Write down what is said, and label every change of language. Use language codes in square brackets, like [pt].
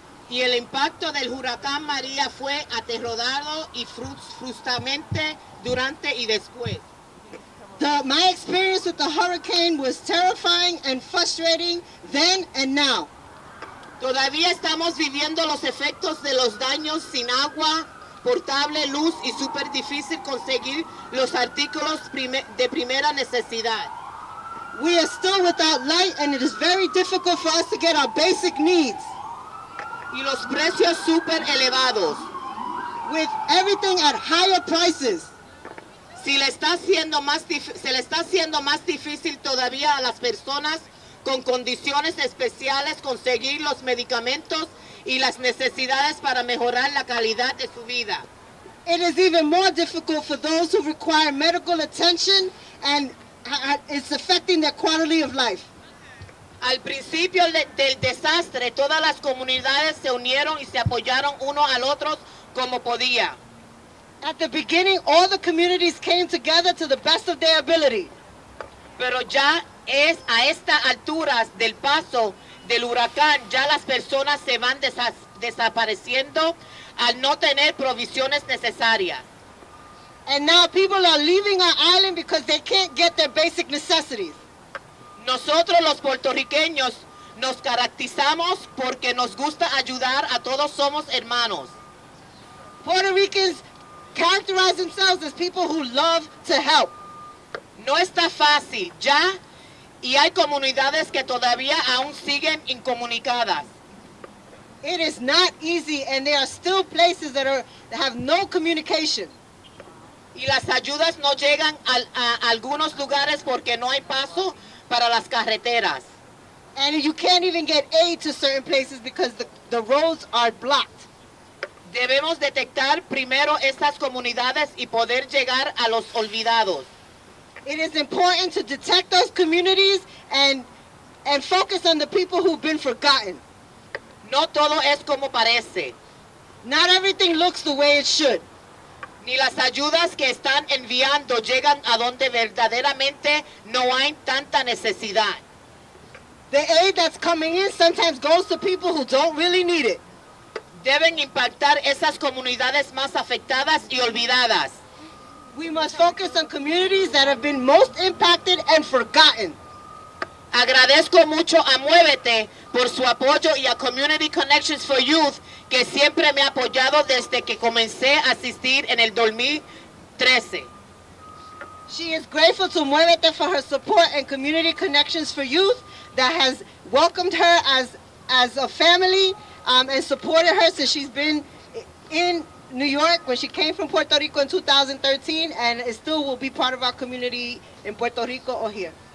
[es] Y el impacto del huracán María fue aterrodado y frustramente durante y después. [en] My experience with the hurricane was terrifying and frustrating then and now. [es] Todavía estamos viviendo los efectos de los daños sin agua, portable, luz y súper difícil conseguir los artículos de primera necesidad. [en] We are still without light and it is very difficult for us to get our basic needs. [es] Y los precios súper elevados. [en] With everything at higher prices. [es] Se le está haciendo más difícil todavía a las personas con condiciones especiales conseguir los medicamentos y las necesidades para mejorar la calidad de su vida. [en] It is even more difficult for those who require medical attention and it's affecting their quality of life. [es] Al principio del desastre, todas las comunidades se unieron y se apoyaron uno al otro como podía. [en] At the beginning, all the communities came together to the best of their ability. [es] Pero ya es a estas alturas del paso del huracán, ya las personas se van desapareciendo al no tener provisiones necesarias. [en] And now people are leaving our island because they can't get their basic necessities. [es] Nosotros los puertorriqueños nos caracterizamos porque nos gusta ayudar a todos, somos hermanos. [en] Puerto Ricans characterize themselves as people who love to help. [es] No está fácil ya y hay comunidades que todavía aún siguen incomunicadas. [en] It is not easy and there are still places that have no communication. [es] Y las ayudas no llegan a algunos lugares porque no hay paso para las carreteras. [en] And you can't even get aid to certain places because the roads are blocked. [es] Debemos detectar primero estas comunidades y poder llegar a los olvidados. [en] It is important to detect those communities and focus on the people who've been forgotten. [es] No todo es como parece. [en] Not everything looks the way it should. [es] Ni las ayudas que están enviando llegan a donde verdaderamente no hay tanta necesidad. [en] The aid that's coming in sometimes goes to people who don't really need it. [es] Deben impactar esas comunidades más afectadas y olvidadas. [en] We must focus on communities that have been most impacted and forgotten. [es] Agradezco mucho a Muévete por su apoyo y a Community Connections for Youth, que siempre me ha apoyado desde que comencé a asistir en el 2013. [en] She is grateful to Muévete for her support and Community Connections for Youth that has welcomed her as a family and supported her since she's been in New York when she came from Puerto Rico in 2013 and still will be part of our community in Puerto Rico or here.